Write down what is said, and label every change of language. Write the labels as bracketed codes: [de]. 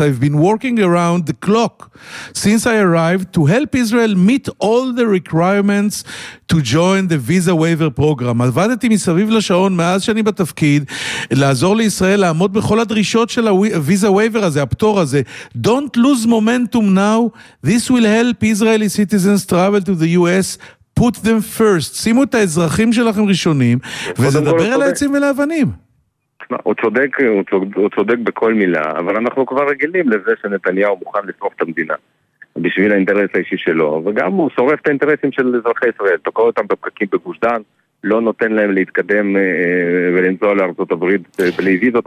[en] I've been working around the clock since I arrived to help Israel meet all the requirements to join the visa waiver program. [he] עבדתי מסביב לשעון מאז שאני בתפקיד לעזור לישראל לעמוד בכל הדרישות של הוויזה וייבר הזה, הפטור הזה. [en] Don't lose momentum now. This will help Israeli citizens travel to the US. Put them first. [he] שימו את האזרחים שלכם ראשונים, וזה דבר על העצים ולאבנים. הוא צודק בכל מילה, אבל אנחנו כבר רגילים לזה שנתניהו מוכן לשרוף את המדינה בשביל האינטרס האישי שלו, וגם הוא שורף את האינטרסים של אזרחי ישראל, תוקע אותם בפקקים בגוש דן, לא נותן להם להתקדם ולנסוע לארצות הברית ולהביא זאת.